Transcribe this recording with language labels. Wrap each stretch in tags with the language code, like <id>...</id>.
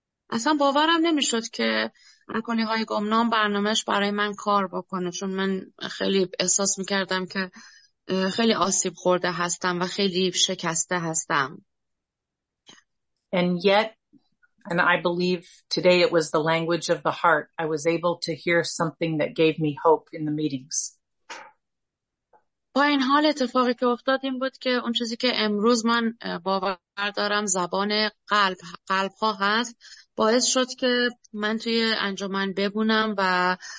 <fa>اصلا باورم نمیشد که الکلی های گمنام برنامهش برای من کار بکنه، چون من خیلی احساس میکردم که خیلی آسیب خورده هستم و خیلی شکسته هستم.</fa> <en>And yet, and I believe today it was the language of the heart, I was able to hear something that gave me hope in the meetings.</en> <fa>با این حال اتفاقی که افتاد این بود که اون چیزی که امروز من باور دارم زبان قلب ها هست، باعث شد که من توی انجمن ببونم و</fa>